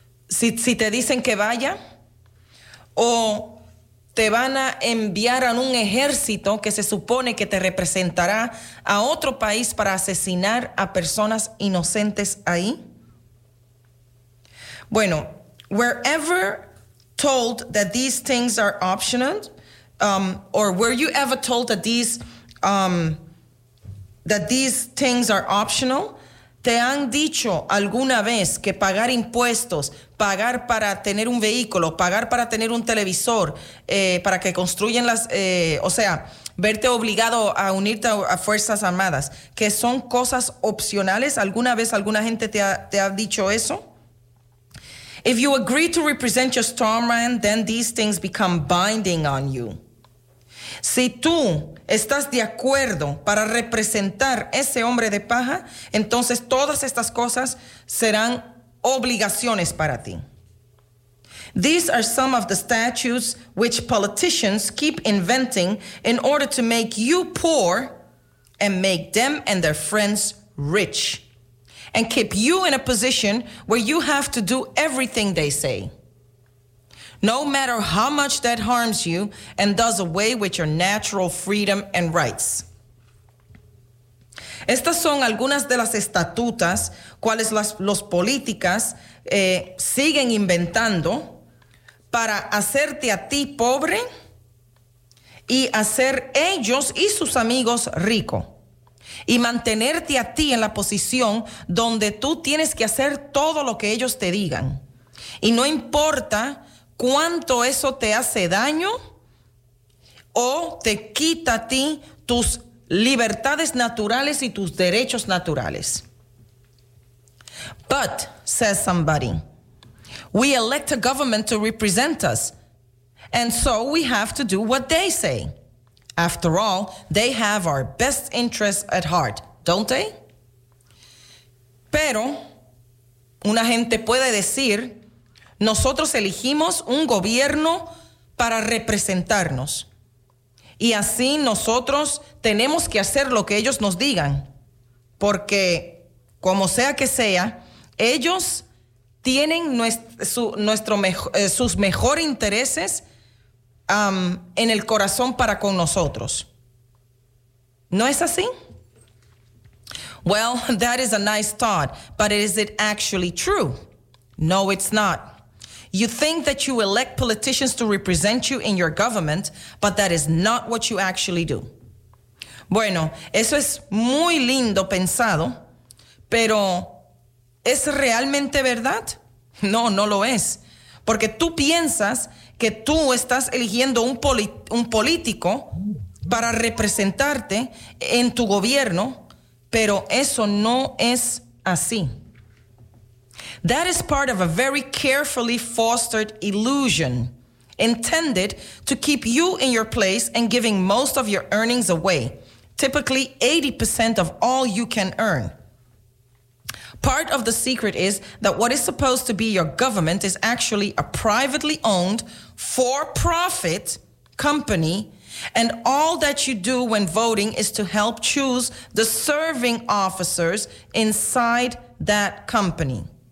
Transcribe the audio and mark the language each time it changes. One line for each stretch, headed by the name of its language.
Spanish: si te dicen que vaya, o te van a enviar a un ejército que se supone que te representará a otro país para asesinar a personas inocentes ahí.
English: Bueno, wherever told that these things are optional, or were you ever told that these things are optional,
Spanish: ¿Te han dicho alguna vez que pagar impuestos, pagar para tener un vehículo, pagar para tener un televisor, para que construyan las... o sea, verte obligado a unirte a Fuerzas Armadas, que son cosas opcionales? ¿Alguna vez alguna gente te ha dicho eso?
English: If you agree to represent your strongman, then these things become binding on you.
Spanish: Si tú estás de acuerdo para representar ese hombre de paja, entonces todas estas cosas serán obligaciones para ti.
English: These are some of the statutes which politicians keep inventing in order to make you poor and make them and their friends rich, and keep you in a position where you have to do everything they say. No matter how much that harms you and does away with your natural freedom and rights.
Spanish: Estas son algunas de las estatutas cuales los políticas siguen inventando para hacerte a ti pobre y hacer ellos y sus amigos rico y mantenerte a ti en la posición donde tú tienes que hacer todo lo que ellos te digan. Y no importa cuánto eso te hace daño o te quita a ti tus libertades naturales y tus derechos naturales.
English: But, says somebody, we elect a government to represent us, and so we have to do what they say. After all, they have our best interests at heart, don't they?
Spanish: Pero, una gente puede decir, nosotros elegimos un gobierno para representarnos. Y así nosotros tenemos que hacer lo que ellos nos digan. Porque, como sea que sea, ellos tienen sus mejores intereses en el corazón para con nosotros. ¿No es así?
English: Well, that is a nice thought, but is it actually true? No, it's not. You think that you elect politicians to represent you in your government, but that is not what you actually do.
Spanish: Bueno, eso es muy lindo pensado, pero ¿es realmente verdad? No, no lo es. Porque tú piensas que tú estás eligiendo un político para representarte en tu gobierno, pero eso no es así.
English: That is part of a very carefully fostered illusion intended to keep you in your place and giving most of your earnings away, typically 80% of all you can earn. Part of the secret is that what is supposed to be your government is actually a privately owned, for-profit company, and all that you do when voting is to help choose the serving officers inside that company.